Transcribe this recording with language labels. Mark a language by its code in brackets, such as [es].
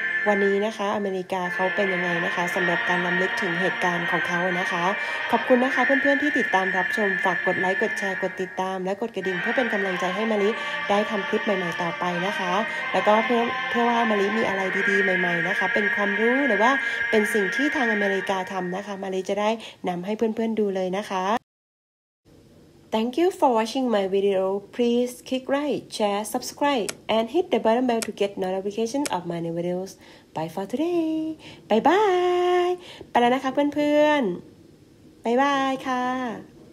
[th] วันนี้นะคะอเมริกาเขาเป็นยังไงนะคะสำหรับการรำลึกถึงเหตุการณ์ของเขานะคะขอบคุณนะคะเพื่อนๆที่ติดตามรับชมฝากกดไลค์กดแชร์กดติดตามและกดกระดิ่งเพื่อเป็นกำลังใจให้มะลิได้ทำคลิปใหม่ๆต่อไปนะคะแล้วก็เพื่อว่ามะลิมีอะไรดีๆใหม่ๆนะคะเป็นความรู้หรือว่าเป็นสิ่งที่ทางอเมริกาทำนะคะมะลิจะได้นำให้เพื่อนๆดูเลยนะคะ [en] Thank you for watching my video. Please click like, share, subscribe, and hit the button bell to get notification of my new videos. Bye for today. Bye bye. [th] ไปแล้วนะคะเพื่อนๆ บ๊ายบายค่ะ